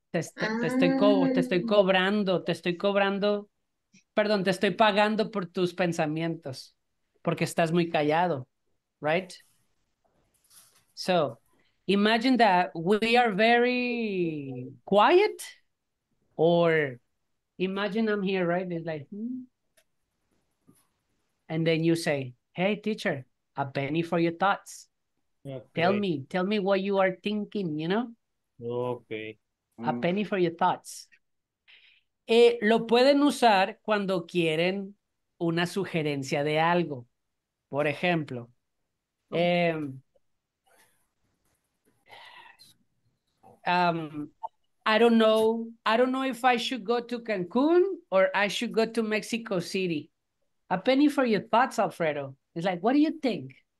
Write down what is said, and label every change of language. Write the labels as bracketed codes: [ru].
[es] Te estoy cobrando, perdón, te estoy pagando por tus pensamientos, porque estás muy callado, right? [en] So, imagine that we are very quiet, or imagine I'm here, right? It's like, and then you say, hey, teacher, a penny for your thoughts. Okay. Tell me what you are thinking, you know? Okay. A penny for your thoughts. [es] Lo pueden usar cuando quieren una sugerencia de algo. Por ejemplo, [en] I don't know if I should go to Cancun or I should go to Mexico City. A penny for your thoughts, Alfredo. It's like, what do you think?